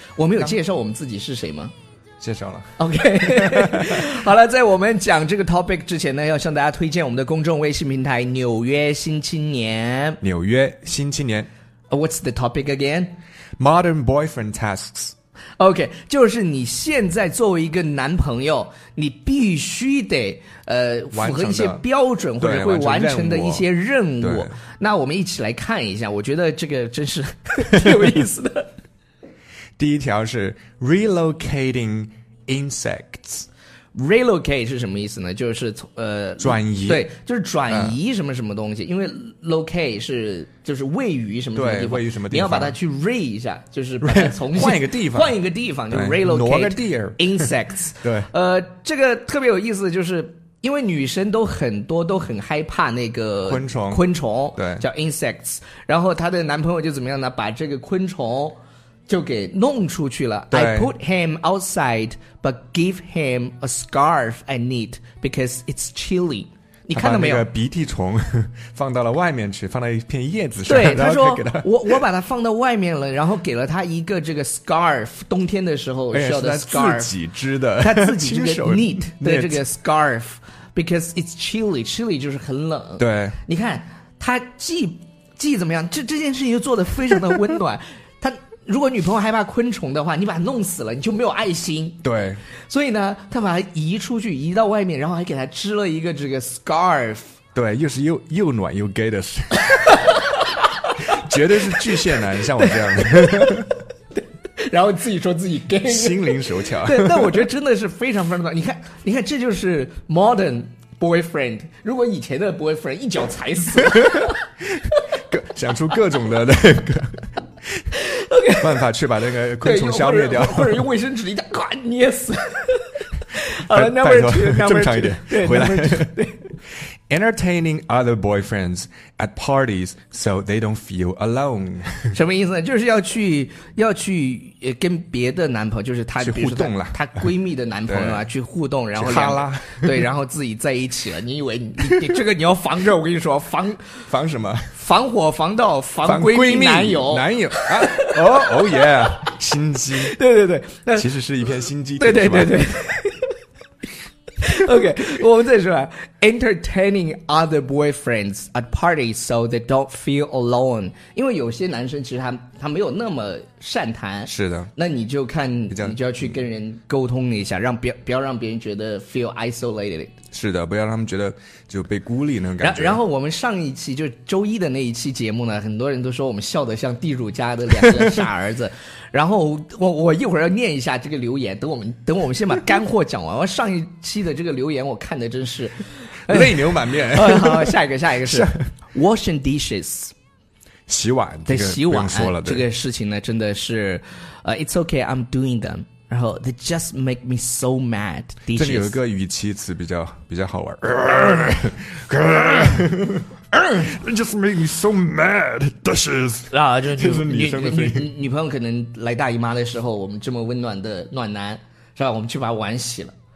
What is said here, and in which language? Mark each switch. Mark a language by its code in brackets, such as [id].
[zh] 我们有介绍我们自己是谁吗？介绍了 OK 好了，在我们讲这个 topic 之前呢，要向大家推荐我们的公众微信平台纽约新青年。纽约新青年 [en] What's the topic again? Modern boyfriend tasks [zh] OK 就是你现在作为一个男朋友，你必须得符合一些标准，或者会完成的一些任务。那我们一起来看一下，我觉得这个真是挺有意思的。第一条是 relocating insects。 relocate 是什么意思呢？就是转移。对，就是转移什么什么东西，因为 locate 是就是位于什么什么地方，位于什么地方，你要把它去 re 一下，就是把它重新换一个地方，换一个地方，就 relocate 挪个地儿 [en] insects。 [zh] 对，这个特别有意思，就是因为女生都很多都很害怕那个昆虫，对，叫 insects。然后她的男朋友就怎么样呢？把这个昆虫就给弄出去了。 [en] I put him outside but give him a scarf I need because it's chilly。 [zh] 你看到没有，他把那个鼻涕虫放到了外面去，放到一片叶子上。对，他说我把它放到外面了，然后给了他一个这个 scarf， 冬天的时候需要的 scarf。他自己织的，他自己这个 knit 的这个 scarf [en] because it's chilly。 [zh] chilly 就是很冷。对，你看他既怎么样，这件事情就做得非常的温暖。如果女朋友害怕昆虫的话，你把它弄死了，你就没有爱心。对，所以呢，他把它移出去，移到外面，然后还给他织了一个这个 scarf。对，又是又暖又 gay 的事，绝对是巨蟹男，像我这样的。然后自己说自己 gay，心灵手巧。对，但我觉得真的是非常非常暖。你看，这就是 modern boyfriend。如果以前的 boyfriend 一脚踩死了，想出各种的那个。办法去把那个昆虫消灭掉，或者用卫生纸一下咔捏死。 [en] 好了，number two， [zh] 正常一点，回来。对 [en] ，entertaining other boyfriends at parties so they don't feel alone。 [zh] 什么意思呢？就是要去跟别的男朋友，就是她去互动了，她闺蜜的男朋友啊，去互动，然后哈拉，对，然后自己在一起了。你以为你这个你要防着？我跟你说，防什么？防火防盗防闺蜜男友男友啊。哦哦耶，心机。对对对，那其实是一片心机。对对对对。 [en] OK， [zh] 我们再说 [en] ，entertaining other boyfriends at parties so they don't feel alone。 [zh] 因为有些男生其实他没有那么善谈。是的。那你就看，你就要去跟人沟通一下，不要让别人觉得 [en] feel isolated。 [zh] 是的，不要让他们觉得就被孤立那种感觉。然后我们上一期就周一的那一期节目呢，很多人都说我们笑得像地主家的两个傻儿子。然后我一会儿要念一下这个留言，等我们先把干货讲完。上一期的这个留言我看的真是泪流满面。好，下一个是washing dishes，洗碗。对，洗碗不用说了，这个事情呢真的是 [en] it's okay I'm doing them。然后 they just make me so mad。 [zh] 这里有一个语气词比较好玩。 [en] Just make me so mad dishes。 [zh] 啊，就是女生的声音。女朋友可能来大姨妈的时候，我们这么温暖的暖男是吧，我们去把碗洗了。